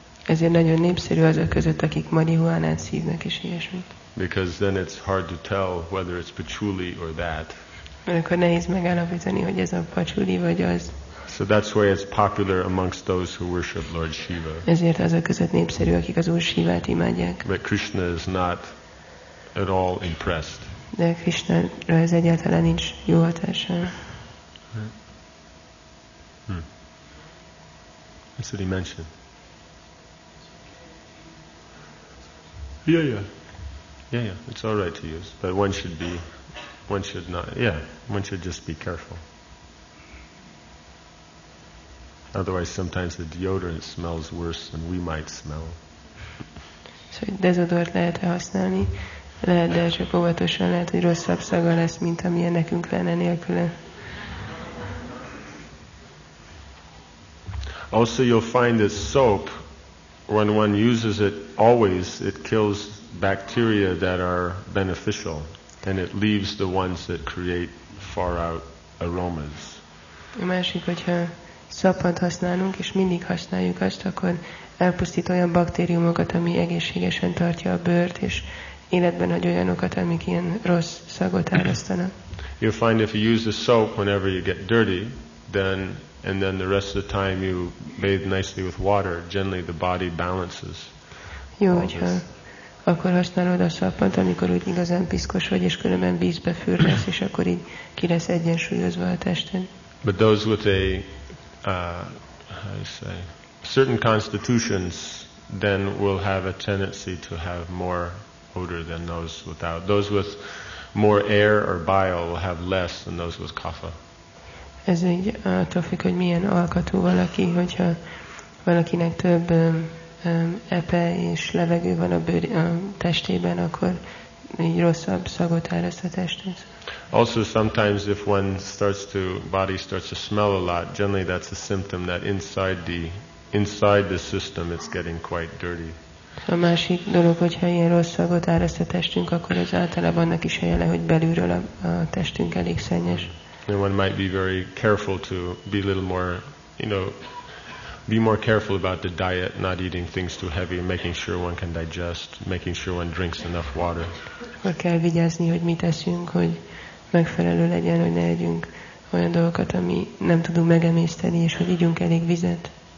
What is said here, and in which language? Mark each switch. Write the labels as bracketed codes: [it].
[hu] Ezért nagyon népszerű azok között, akik marihuánát szívnak és ilyesmit. [en] Because then it's hard to tell whether it's patchouli or that. [hu] Mert akkor nehéz megállapítani, hogy ez a patchouli vagy az. [en] So that's why it's popular amongst those who worship Lord Shiva. [hu] Ezért azok között népszerű, akik az Úr Shivát imádják. [en] But Krishna is not at all impressed. [hu] De Krishna ez egyáltalán nincs jó hatása. [en] What did he mention? Yeah. It's all right to use, but one should not. Yeah, one should just be careful. Otherwise, sometimes the deodorant smells worse than we might smell. [hu] So, dezodort lehet-e használni? Lehet, de csak óvatosan, lehet, hogy rosszabb szaga lesz, mint amilyen nekünk lenne nélküle. [en] Also, you'll find that soap, when one uses it always, it kills bacteria that are beneficial, and it leaves the ones that create far-out aromas. [hu] A másik, hogyha szappant használunk, és mindig használjuk azt, akkor elpusztít olyan baktériumokat, ami egészségesen tartja a bőrt, és életben hagy olyanokat, amik ilyen rossz szagot árasztanak. [en] You find if you use the soap whenever you get dirty, then the rest of the time you bathe nicely with water, generally the body balances. [hu] Jó, hogyha akkor használod a szappant, amikor úgy igazán piszkos vagy, és különben vízbe fürdesz, és akkor így ki lesz egyensúlyozva a testen. [en] But those with a certain constitutions then we'll have a tendency to have more odor than those without. Those with more air or bile will have less than those with kapha. [hu] Ez egy attól függ, hogy milyen alkatú valaki, hogyha valakinek több epe és levegő van a bőr, a testében, akkor így rosszabb szagot áraszt a testhez. [en] Also sometimes if one starts to body starts to smell a lot, generally that's a symptom that inside the system it's getting quite dirty. [hu] A másik dolog, hogyha ilyen rossz szagot áraszt a testünk, akkor az általában annak is a jele, hogy belülről a testünk elég szennyes. [en] And one might be very careful to be a little more, you know, be more careful about the diet, not eating things too heavy, making sure one can digest, making sure one drinks enough water. [hu] Akkor kell vigyázni, hogy mit eszünk, hogy megfelelő legyen, hogy ne együnk olyan dolgokat, ami nem tudunk megemészteni, és hogy igyunk elég vizet.